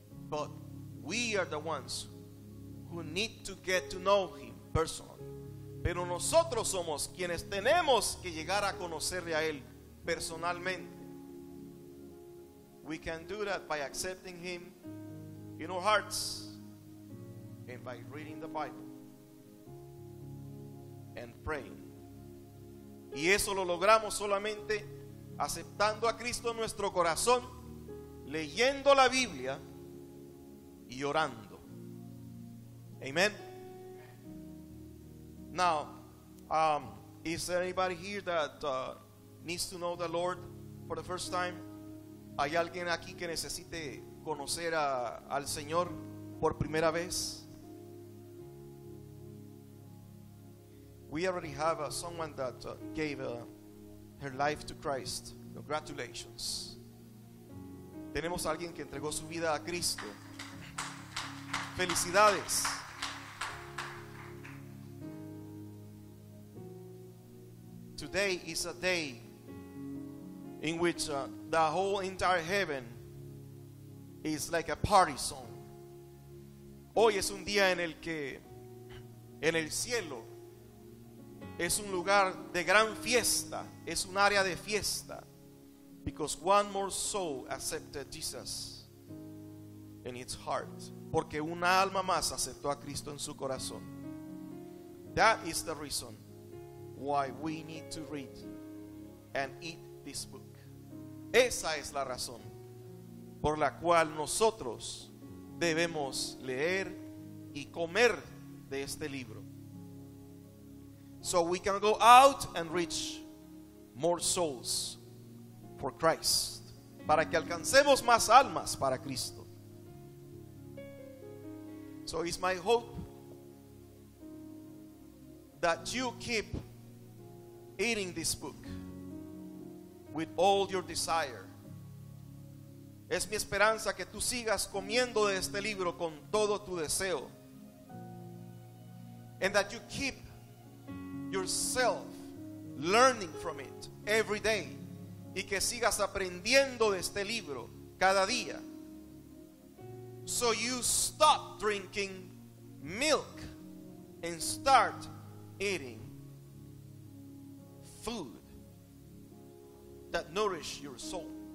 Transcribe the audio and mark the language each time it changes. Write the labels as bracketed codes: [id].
[en] But we are the ones who need to get to know him personally. [es] Pero nosotros somos quienes tenemos que llegar a conocerle a él personalmente. [en] We can do that by accepting him in our hearts and by reading the Bible and praying. [es] Y eso lo logramos solamente aceptando a Cristo en nuestro corazón, leyendo la Biblia y orando. [en] Amen. Now, is there anybody here that needs to know the Lord for the first time? [es] ¿Hay alguien aquí que necesite conocer al Señor por primera vez? [en] We already have someone that gave her life to Christ. Congratulations. [es] Tenemos a alguien que entregó su vida a Cristo. Felicidades. [en] Today is a day in which the whole entire heaven is like a party song. [es] Hoy es un día en el que en el cielo es un lugar de gran fiesta, es un área de fiesta. [en] Because one more soul accepted Jesus in its heart. [es] Porque una alma más aceptó a Cristo en su corazón. [en] That is the reason why we need to read and eat this book. [es] Esa es la razón por la cual nosotros debemos leer y comer de este libro. [en] So we can go out and reach more souls for Christ. [es] Para que alcancemos más almas para Cristo. [en] So it's my hope that you keep eating this book with all your desire. [es] Es mi esperanza que tú sigas comiendo de este libro con todo tu deseo. [en] And that you keep yourself learning from it every day. [es] y que sigas aprendiendo de este libro cada día. [en] So you stop drinking milk and start eating food that nourish your soul.